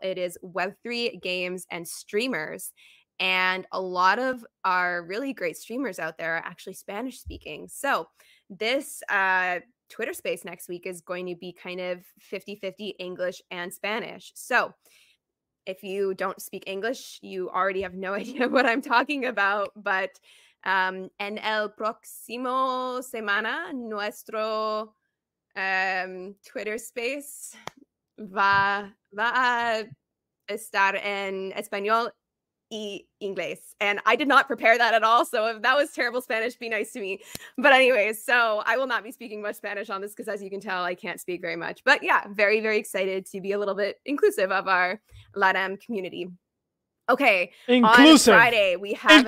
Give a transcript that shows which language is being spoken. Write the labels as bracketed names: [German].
[English] It is Web3 games and streamers. And a lot of our really great streamers out there are actually Spanish speaking. So this Twitter space next week is going to be kind of 50-50 English and Spanish. So if you don't speak English, you already have no idea what I'm talking about. But [Spanish] En el próximo semana, nuestro Twitter space va a estar en español y inglés. [English] And I did not prepare that at all. So if that was terrible Spanish, be nice to me. But anyways, so I will not be speaking much Spanish on this because as you can tell, I can't speak very much. But yeah, very, very excited to be a little bit inclusive of our LATAM community. Okay, inclusive. On Friday, we have